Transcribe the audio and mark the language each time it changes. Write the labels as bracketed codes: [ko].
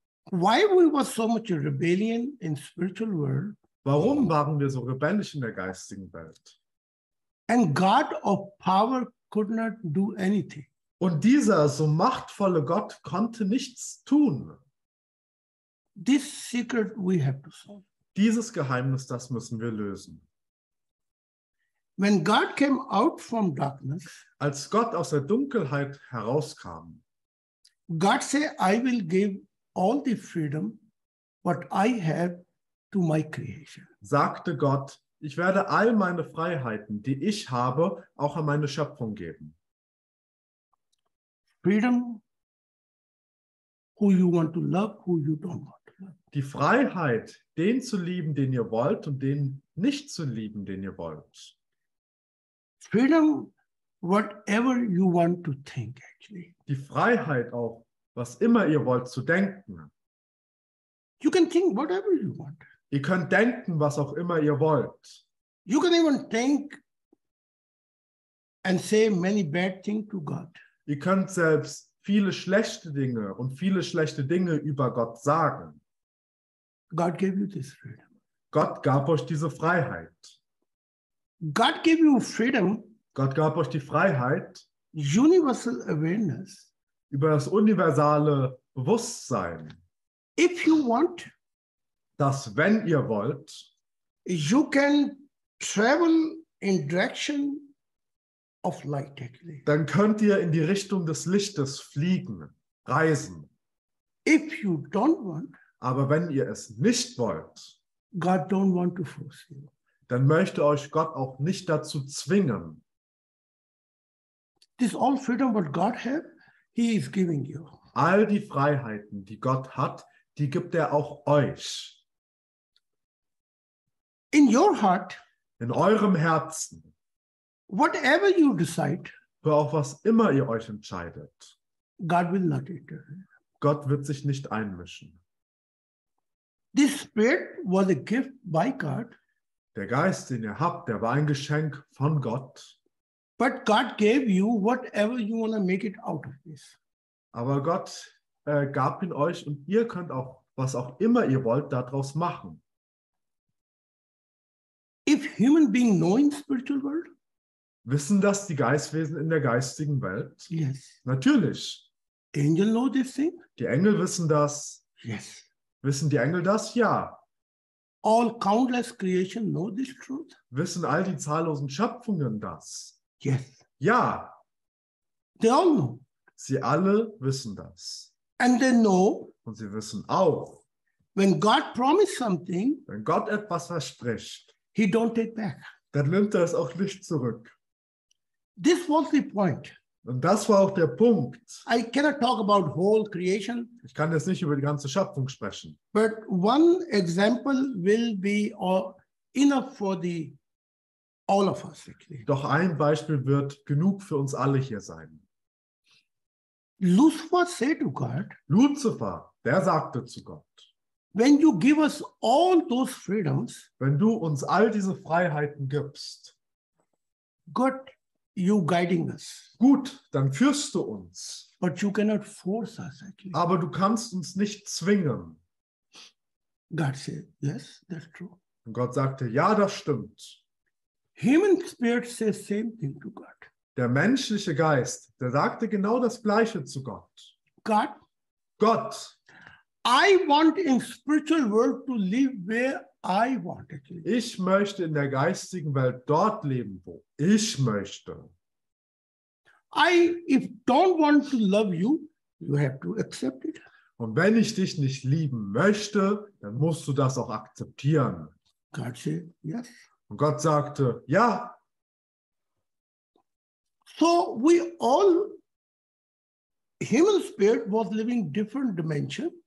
[en] Why we was so much rebellion in spiritual world? [de] Warum waren wir so rebellisch in der geistigen Welt? [en] And God of power could not do anything. [de] Und dieser so machtvolle Gott konnte nichts tun. [en] This secret we have to solve. [de] Dieses Geheimnis, das müssen wir lösen. [en] When God came out from darkness, [de] als Gott aus der Dunkelheit herauskam, [en] God said, I will give all the freedom what I have to my creation. [de] Sagte Gott, ich werde all meine Freiheiten, die ich habe, auch an meine Schöpfung geben. [en] Freedom, who you want to love, who you don't want to love. [de] Die Freiheit, den zu lieben, den ihr wollt, und den nicht zu lieben, den ihr wollt. [en] Freedom, whatever you want to think, actually. [de] Die Freiheit auch, was immer ihr wollt, zu denken. [en] You can think whatever you want. [de] Ihr könnt denken, was auch immer ihr wollt. [en] You can even think and say many bad things to God. [de] Ihr könnt selbst viele schlechte Dinge und viele schlechte Dinge über Gott sagen. [en] God gave you this freedom. [de] Gott gab euch diese Freiheit. [en] God gave you freedom. [de] Gott gab euch die Freiheit. [en] Universal awareness. [de] Über das universale Bewusstsein. [en] If you want, [de] dass wenn ihr wollt, [en] you can travel in direction of light, actually. [de] Dann könnt ihr in die Richtung des Lichtes fliegen, reisen. [en] If you don't want, [de] aber wenn ihr es nicht wollt, [en] God don't want to force you. [de] Dann möchte euch Gott auch nicht dazu zwingen. [en] This all freedom what God have, he is giving you. [de] All die Freiheiten, die Gott hat, die gibt er auch euch. [en] In your heart, [de] in eurem Herzen, [en] whatever you decide, [de] für auch was immer ihr euch entscheidet, [en] God will not enter. [de] Gott wird sich nicht einmischen. [en] This spirit was a gift by God. [de] Der Geist, den ihr habt, der war ein Geschenk von Gott. [en] But God gave you whatever you want to make it out of this. [de] Aber Gott gab ihn euch und ihr könnt auch, was auch immer ihr wollt, daraus machen. [en] If human being know in spiritual world? [de] Wissen das die Geistwesen in der geistigen Welt? [en] Yes. [de] Natürlich. [en] Angel know this thing? [de] Die Engel wissen das. [en] Yes. [de] Wissen die Engel das? Ja. [en] All countless creation know this truth? [de] Wissen all die zahllosen Schöpfungen das? [en] Yes. [de] Ja. [en] They all know. [de] Sie alle wissen das. [en] And they know. [de] Und sie wissen auch. [en] When God promised something. [de] Wenn Gott etwas verspricht. [en] He don't take back. [de] Dann nimmt er es auch nicht zurück. [en] This was the point. [de] Und das war auch der Punkt. [en] I cannot talk about whole creation. [de] Ich kann jetzt nicht über die ganze Schöpfung sprechen. [en] But one example will be enough for the all of us. [de] Doch ein Beispiel wird genug für uns alle hier sein. [en] Lucifer said to God. [de] Lucifer, der sagte zu Gott. [en] When you give us all those freedoms. [de] Wenn du uns all diese Freiheiten gibst. [en] Gott. You guiding us. [de] Gut, dann führst du uns. [en] But you cannot force us, actually. [de] Aber du kannst uns nicht zwingen. [en] God said, yes, that's true. [de] Und Gott sagte, ja, das stimmt. [en] Human spirit says same thing to God. [de] Der menschliche Geist, der sagte genau das Gleiche zu Gott. [en] God, [de] Gott. [en] I want in spiritual world to live where I want it. [de] Ich möchte in der geistigen Welt dort leben, wo ich möchte. [en] If don't want to love you, you have to accept it. [de] Und wenn ich dich nicht lieben möchte, dann musst du das auch akzeptieren. [en] God said, yes. [de] Und Gott sagte, ja. [en] So we all, human spirit was living different dimension.